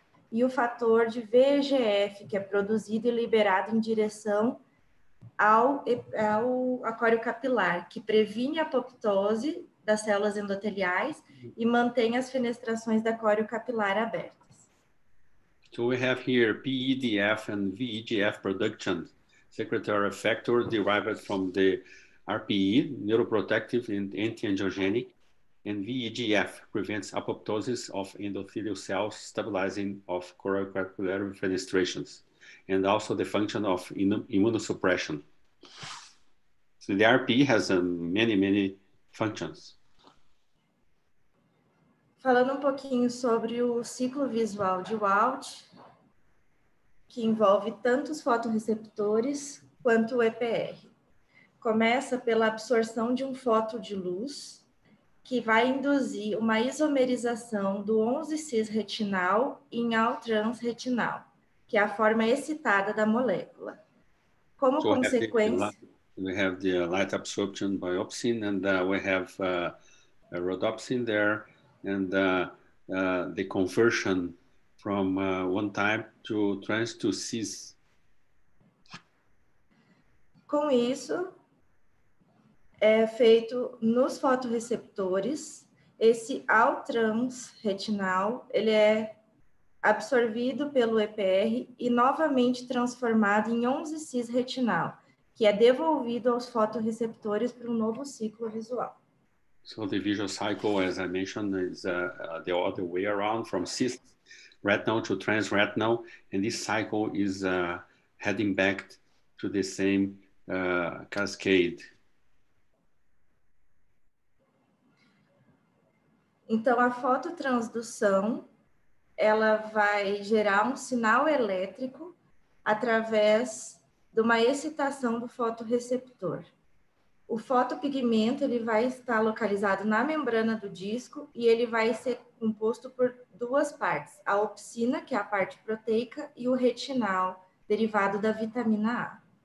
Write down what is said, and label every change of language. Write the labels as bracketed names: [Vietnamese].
[Portuguese] E o fator de VEGF, que é produzido e liberado em direção ao córeo capilar, que previne a apoptose das células endoteliais e mantém as fenestrações da córeo capilar abertas. [English] So we have here PEDF and VEGF production, secretory factor derived from the RPE, neuroprotective and antiangiogenic, and VEGF prevents apoptosis of endothelial cells, stabilizing of choroid capillary fenestrations, and also the function of immunosuppression. So the RPE has many, many functions. [Portuguese] Falando um pouquinho sobre o ciclo visual de Wald, que envolve tanto os fotorreceptores quanto o EPR. Começa pela absorção de um fóton de luz, que vai induzir uma isomerização do 11-cis retinal em all-trans retinal, que é a forma excitada da molécula. Como so consequência... [English] We have the light absorption biopsin and we have a rhodopsin there and the conversion from one type to trans to cis. [Portuguese] Com isso, é feito nos fotorreceptores, esse all-trans retinal, ele é absorvido pelo EPR e novamente transformado em 11-cis retinal, que é devolvido aos fotorreceptores para um novo ciclo visual. [English] So the visual cycle, as I mentioned, is the other way around, from cis retinal to trans retinal, and this cycle is heading back to the same cascade. [Portuguese] Então, a fototransdução, ela vai gerar um sinal elétrico através de uma excitação do fotorreceptor. O fotopigmento, ele vai estar localizado na membrana do disco e ele vai ser composto por duas partes, a opsina, que é a parte proteica, e o retinal, derivado da vitamina A.